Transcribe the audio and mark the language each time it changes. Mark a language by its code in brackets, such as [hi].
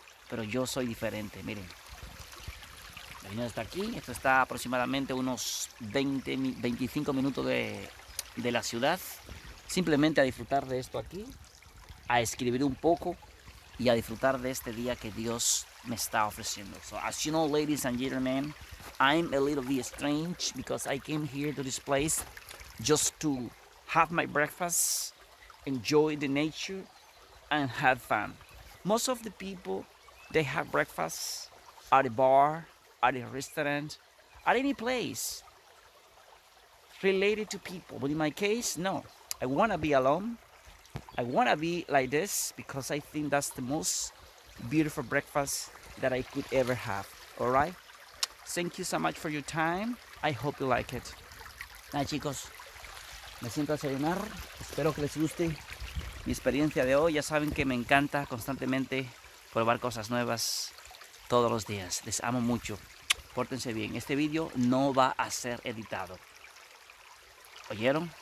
[es] Pero yo soy diferente, miren. La línea está aquí, esto está aproximadamente unos 20, 25 minutos de la ciudad. Simplemente a disfrutar de esto aquí, a escribir un poco y a disfrutar de este día que Dios me está ofreciendo. [en] So, as you know, ladies and gentlemen, I'm a little bit strange because I came here to this place just to have my breakfast, enjoy the nature, and have fun. Most of the people, they have breakfast at a bar, at a restaurant, at any place related to people. But in my case, no. I want to be alone. I want to be like this because I think that's the most beautiful breakfast that I could ever have. All right? Thank you so much for your time. I hope you like it. [es] Nada, chicos. Me siento a desayunar. Espero que les guste mi experiencia de hoy. Ya saben que me encanta constantemente probar cosas nuevas todos los días. Les amo mucho. Pórtense bien. Este video no va a ser editado. ¿Oyeron?